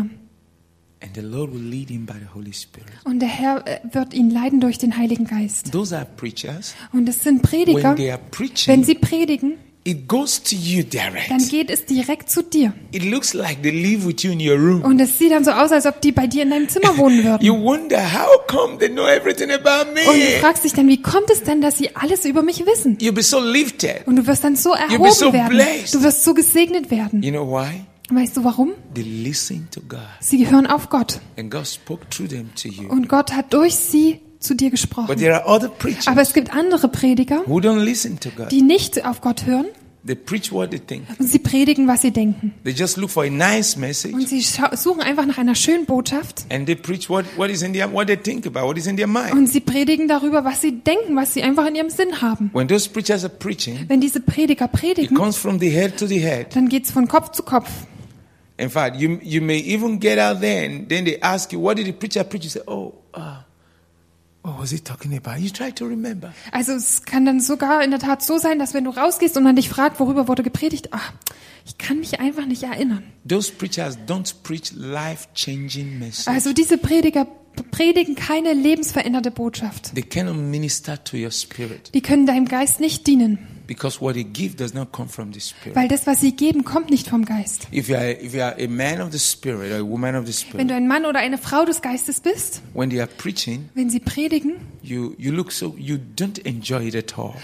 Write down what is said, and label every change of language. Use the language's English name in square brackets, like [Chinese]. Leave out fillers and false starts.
[English] And the Lord will lead him by the Holy Spirit. [German] Und der Herr wird ihn leiten durch den Heiligen Geist. [English] Those are preachers. [German] Und es sind Prediger. [English] When they are preaching, [German] wenn sie predigen, [English] it goes to you direct. [German] Dann geht es direkt zu dir. [English] It looks like they live with you in your room. [German] Und es sieht dann so aus, als ob die bei dir in deinem Zimmer wohnen würden. [English] You wonder how come they know everything about me. [German] Und du fragst dich dann, wie kommt es denn, dass sie alles über mich wissen? [English] You'll be so lifted. [German] Und du wirst dann so erhoben [English] You'll be so [German] werden. [English] Blessed. [German] Du wirst so gesegnet werden. [English] You know why? [German] Weißt du warum? [English] They listen to God. [German] Sie hören auf Gott. [English] And God spoke through them to you. [German] Und Gott hat durch sie zu dir gesprochen. [English] But there are other preachers, [German] aber es gibt andere Prediger, [English] who don't listen to God. [German] Die nicht auf Gott hören. [English] They preach what they think. [German] Und sie predigen, was sie denken. [English] They just look for a nice message. [German] Und sie suchen einfach nach einer schönen Botschaft. [English] And they preach what is in their what they think about, what is in their mind. [German] Und sie predigen darüber, was sie denken, was sie einfach in ihrem Sinn haben. [English] When those preachers are preaching, [German] wenn diese Prediger predigen, [English] it comes from the head to the head. [German] Dann geht's von Kopf zu Kopf. [English] In fact, you may even get out there and then they ask you, what did the preacher preach? You say, oh, What was he talking about? You try to remember. [German] Also es kann dann sogar in der Tat so sein, dass wenn du rausgehst und man dich fragt, worüber wurde gepredigt, ach, ich kann mich einfach nicht erinnern. [English] Those preachers don't preach life-changing messages. [German] Also diese Prediger predigen keine lebensveränderte Botschaft. [English] They cannot minister to your spirit. [German] Die können deinem Geist nicht dienen. [English] Because what he gives does not come from the spirit. [German] Weil das, was sie geben, kommt nicht vom Geist. [English] If you are a man of the spirit, a woman of the spirit. [German] Wenn du ein Mann oder eine Frau des Geistes bist. [English] When they are preaching. [German] Wenn sie predigen. [English] You look so, you don't enjoy it at all.